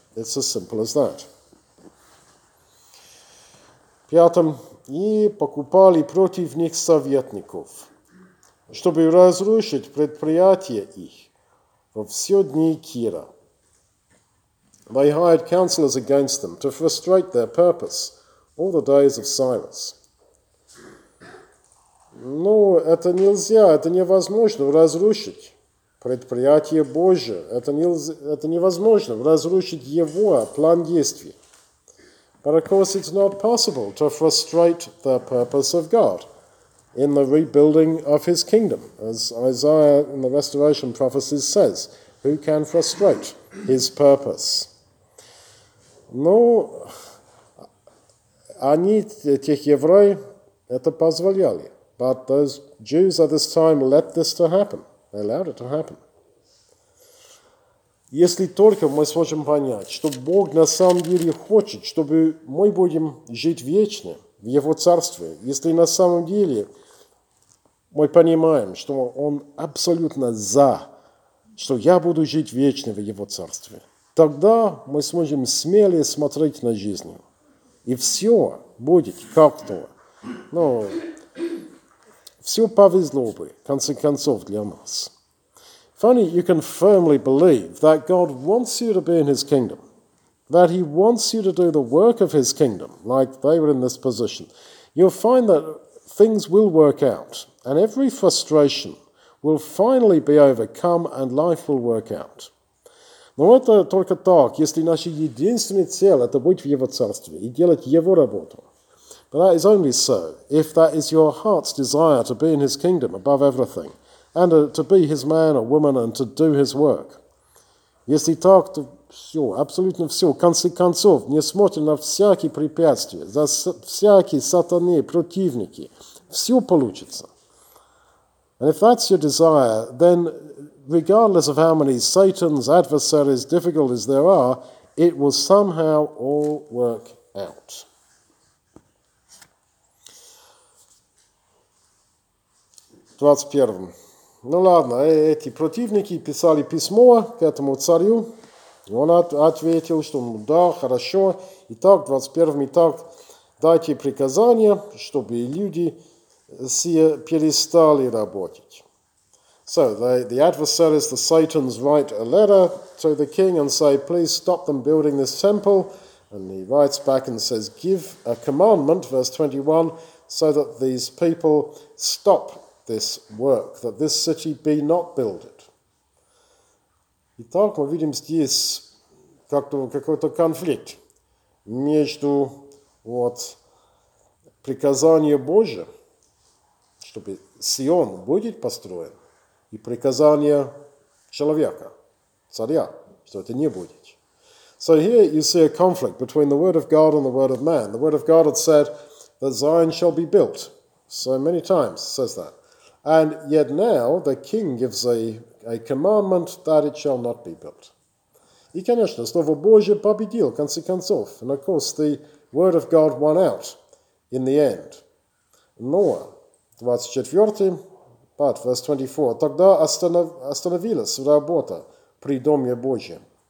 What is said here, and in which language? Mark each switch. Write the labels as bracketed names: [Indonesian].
[English] It's as simple as that. [Russian] Пятом, и покупали против них советников, чтобы разрушить предприятие их во все дни Кира. [English] They hired counselors against them to frustrate their purpose all the days of Cyrus. [Russian] Ну, это нельзя, это невозможно разрушить предприятие Божие. Это невозможно разрушить его план действий. [English] But of course it's not possible to frustrate the purpose of God in the rebuilding of his kingdom. As Isaiah in the Restoration Prophecies says, who can frustrate his purpose? [Russian] Ну, они, тех евреи, это позволяли. [English] But those Jews at this time let this to happen. They allowed it to happen. [Russian] Если только мы сможем понять, что Бог на самом деле хочет, чтобы мы будем жить вечно в Его Царстве, если на самом деле мы понимаем, что Он абсолютно за, что я буду жить вечно в Его Царстве, тогда мы сможем смелее смотреть на жизнь. И все будет как-то. Ну, все повезло бы, в конце концов, для нас. [English] Funny, you can firmly believe that God wants you to be in His kingdom, that He wants you to do the work of His kingdom, like they were in this position. You'll find that things will work out, and every frustration will finally be overcome, and life will work out. [Russian] Но это только так, если наша единственная цель – это быть в Его Царстве и делать Его работу. [English] But that is only so if that is your heart's desire to be in His kingdom above everything, and to be His man or woman and to do His work. [Russian] Если так, то все, абсолютно все, в конце концов, несмотря на всякие препятствия, за всякие сатаны, противники, все получится. [English] And if that's your desire, then regardless of how many Satan's adversaries, difficulties there are, it will somehow all work out. [Russian] Ну ладно, эти противники писали письмо к этому царю, и он ответил, что да, хорошо, и так, 21-м, и так, дайте приказания, чтобы люди перестали работать. [English] So, the adversaries, the Satans, write a letter to the king and say, please stop them building this temple, and he writes back and says, give a commandment, verse 21, so that these people stop this work, that this city be not builded. [Russian] Итак, мы видим здесь как-то какой-то конфликт между вот приказанием Божьим, чтобы Сион будет построен, и приказанием человека, царя, что это не будет. [English] So here you see a conflict between the word of God and the word of man. The word of God had said that Zion shall be built. So many times it says that. And yet now the king gives a commandment that it shall not be built. [Russian] И, конечно, Слово Божие победило, в конце концов. [English] And of course, the word of God won out in the end. [Russian] Но, 24, [English] part, verse [Russian] 24, тогда остановилась работа при Доме Божьем.